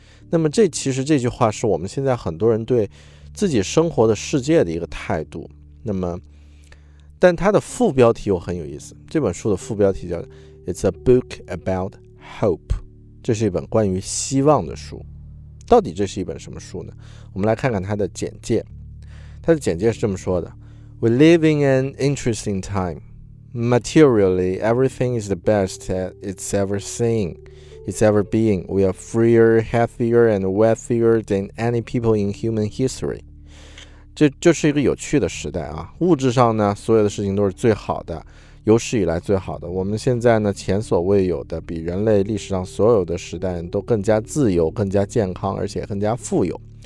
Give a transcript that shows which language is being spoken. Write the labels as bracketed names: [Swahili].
[Chinese] 那么这其实这句话是我们现在很多人对自己生活的世界的一个态度。那么但它的副标题又很有意思，这本书的副标题叫 [English] It's a book about hope， [Chinese] 这是一本关于希望的书。到底这是一本什么书呢？我们来看看它的简介。它的简介是这么说的， [English] We live in an interesting time. Materially, everything is the best that it's ever seen. It's ever been. We are freer, happier, and wealthier than any people in human history. [Chinese] 这就是一个有趣的时代啊，物质上呢所有的事情都是最好的，有史以来最好的，我们现在呢前所未有的，比人类历史上所有的时代都更加自由，更加健康，而且更加富有。